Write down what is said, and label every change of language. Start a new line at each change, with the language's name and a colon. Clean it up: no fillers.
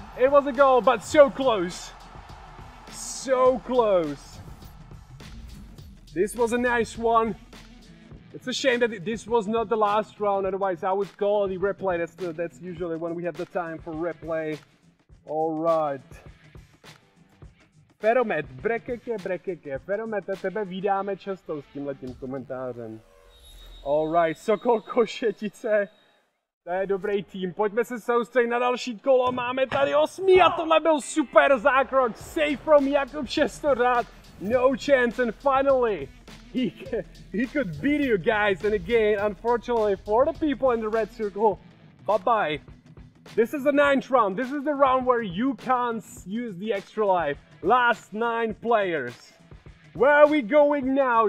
English: It was a goal, but so close. So close. This was a nice one. It's a shame that this was not the last round, otherwise I would call the replay. That's usually when we have the time for replay. All right. Feromet, brekeke, brekeke.
Czech: Feromete, tebe vydáme často s tímhletím komentářem.
English: All right,
Czech: Sokol Košetice. To je dobrý tým. Pojďme se soustředit na další kolo. Máme tady 8. A tohle byl super zákrok.
English: Save from Jakub Sestorad. No chance and finally he could beat you guys, and again, unfortunately for the people in the red circle, bye-bye. This is the ninth round. This is the round where you can't use the extra life. Last nine players. Where are we going now?